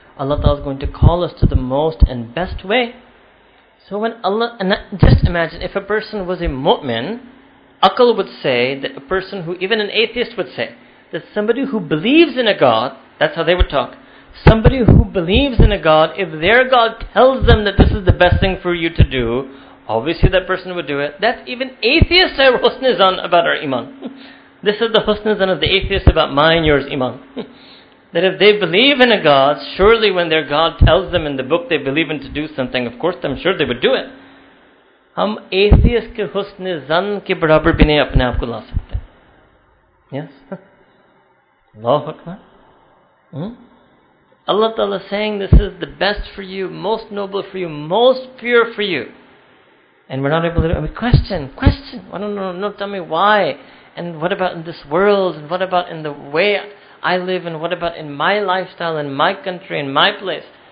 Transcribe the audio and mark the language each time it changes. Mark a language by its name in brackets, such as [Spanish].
[English] Allah Ta'ala is going to call us to the most and best way. So when Allah, and just imagine, if a person was a mu'min, Aql would say that a person who, even an atheist would say, that somebody who believes in a God, that's how they would talk, somebody who believes in a God, if their God tells them that this is the best thing for you to do, obviously that person would do it. That's even atheists have husnizan about our iman. This is the husnizan of the atheist about mine, yours, iman. That if they believe in a God, surely when their God tells them in the book they believe in to do something, of course I'm sure they would do it. [Urdu] ہم atheist کے حسن ظن کے برابر بھی نہیں اپنے آپ کو لا سکتے۔ [English] Yes? [Arabic] Allahu Akbar. [English] Allah Ta'ala saying this is the best for you, most noble for you, most pure for you. And we're not able to do it. Question. No, tell me why. And what about in this world? And what about in the way I live, and what about in my lifestyle, in my country, in my place?